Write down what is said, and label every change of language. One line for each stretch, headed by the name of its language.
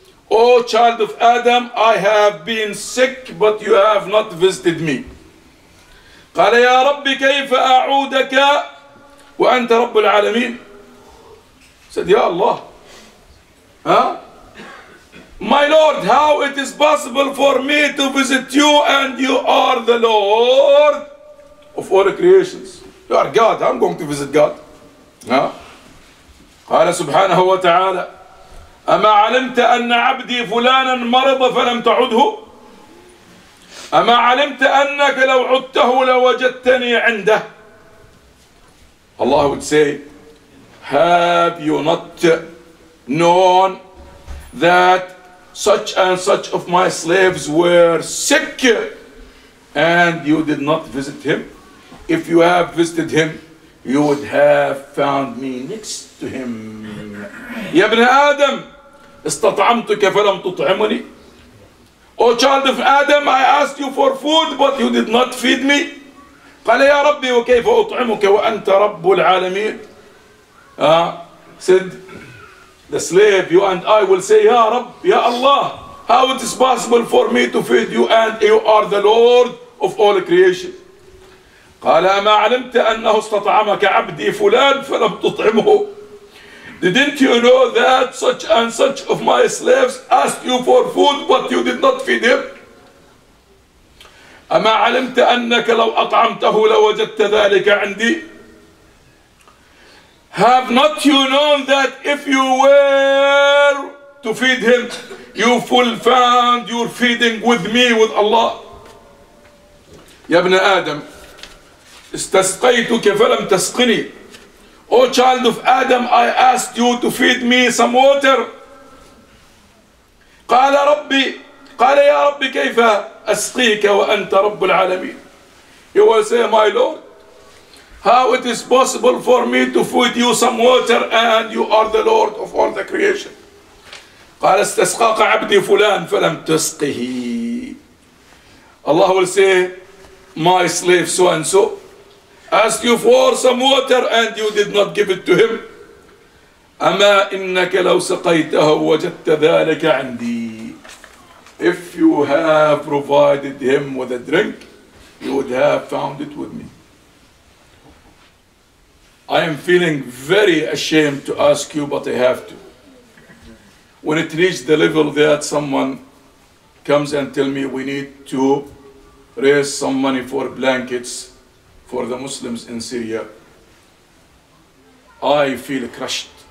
English: O child of Adam I have been sick but you have not visited me
Arabic: قال يا ربي كيف أعودك وأنت رب العالمين
English: said
Arabic: يا الله ها
English: My Lord, how it is possible for me to visit you and you are the Lord of all creations. You are God, I'm going to visit God.
Arabic: قال سبحانه وتعالى أما علمت أن عبدي فلانا مرض فلم تعده أما علمت أنك لو عدته لوجدتني عنده
English: Allah would say Have you not known that such and such of my slaves were sick and you did not visit him? If you have visited him, you would have found me next to him.
Arabic: يا ابن آدم استطعمتك فلم تطعمني.
English: O child of Adam, I asked you for food, but you did not feed me.
Arabic: قال يا ربي وكيف أطعمك وأنت رب العالمين.
English: Said the slave, you and I will say, Ya Rab, Ya Allah, how it is possible for me to feed you and you are the Lord of all creation.
Arabic: قال ما علمت أنه استطعمك عبدي فلان فلم تطعمه.
English: Didn't you know that such and such of my slaves asked you for food, but you did not feed him?
Arabic: أما علمت أنك لو أطعمته لوجدت ذلك عندي.
English: Have not you known that if you were to feed him, you will find your feeding with me, with Allah.
Arabic: يا ابن آدم استسقيتك فلم تسقني.
English: O child of Adam, I asked you to feed me some water.
Arabic: قال ربي قال يا ربي كيف أسقيك وأنت رب العالمين.
English: He will say, my Lord, how it is possible for me to feed you some water and you are the Lord of all the creation.
Arabic: قال استسقاك عبدي فلان فلم تسقه.
English: Allah will say, my slave so and so asked you for some water and you did not give it to him.
Arabic: أما إنك لو سقيته وجدت ذلك عندي.
English: If you have provided him with a drink, you would have found it with me. I am feeling very ashamed to ask you, but I have to. When it reached the level that someone comes and tell me we need to raise some money for blankets for the Muslims in Syria, I feel crushed.